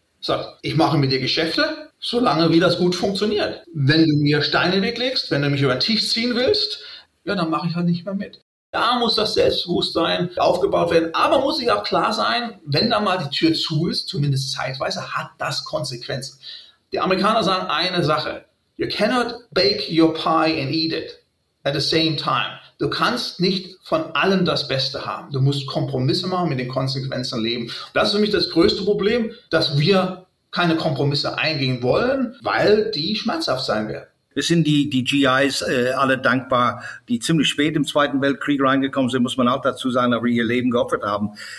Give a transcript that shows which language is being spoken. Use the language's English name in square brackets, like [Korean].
[German] Sag, ich mache mit dir Geschäfte, solange wie das gut funktioniert. Wenn du mir Steine weglegst, wenn du mich über den Tisch ziehen willst, ja, dann mache ich halt nicht mehr mit. Da muss das Selbstbewusstsein aufgebaut werden. Aber muss ich auch klar sein, wenn da mal die Tür zu ist, zumindest zeitweise, hat das Konsequenzen. Die Amerikaner sagen eine Sache. [English] You cannot bake your pie and eat it at the same time. [German] Du kannst nicht von allem das Beste haben. Du musst Kompromisse machen, mit den Konsequenzen leben. Das ist für mich das größte Problem, dass wir keine Kompromisse eingehen wollen, weil die schmerzhaft sein werden. Wir sind die GIs alle dankbar, die ziemlich spät im Zweiten Weltkrieg reingekommen sind, muss man auch dazu sagen, aber ihr Leben geopfert haben.